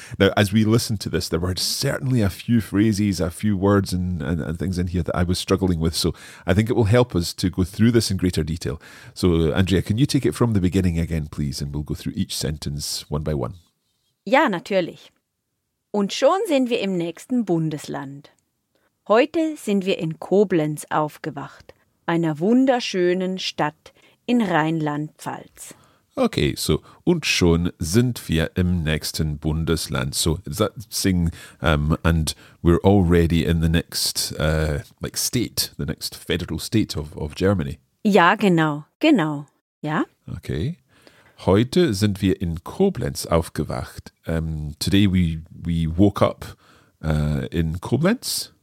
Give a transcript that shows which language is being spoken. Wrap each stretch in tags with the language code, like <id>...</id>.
<en>Now, as we listen to this, there were certainly a few phrases, a few words and things in here that I was struggling with. So I think it will help us to go through this in greater detail. So, Andrea, can you take it from the beginning again, please? And we'll go through each sentence one by one.</en> <de>Ja, natürlich. Und schon sind wir im nächsten Bundesland. Heute sind wir in Koblenz aufgewacht, einer wunderschönen Stadt in Rheinland-Pfalz.</de> <en>Okay, so,</en> <de>und schon sind wir im nächsten Bundesland.</de> <en>So, is that saying, and we're already in the next, state, the next federal state of Germany?</en> <de>Ja, genau, ja. Okay. Heute sind wir in Koblenz aufgewacht.</de> <en>Today we woke up in Koblenz.</en>